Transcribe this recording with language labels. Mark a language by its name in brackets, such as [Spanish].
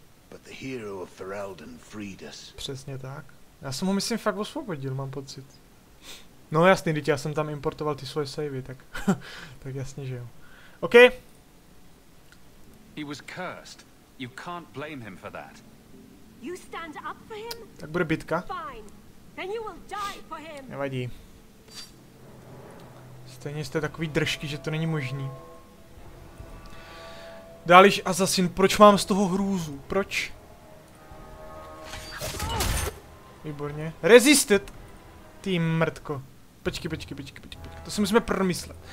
[English] But the hero of Ferelden freed us. [Czech] Přesně tak. Já jsem ho myslím fakt osvobodil, mám pocit. No jasný, teď já jsem tam importoval ty svoje savey, tak... tak jasně, že jo. OK. [English] He was cursed. You can't blame him for that. You stand up for him? [Czech] Tak bude bitka. [English] Fine. Then you will die for him. [Czech] Nevadí. Stejně jste takový držky, že to není možný. Dalish Assassin, proč mám z toho hrůzu? Proč? Výborně. Resisted! Ty mrtko. Počkej. To si musíme promyslet.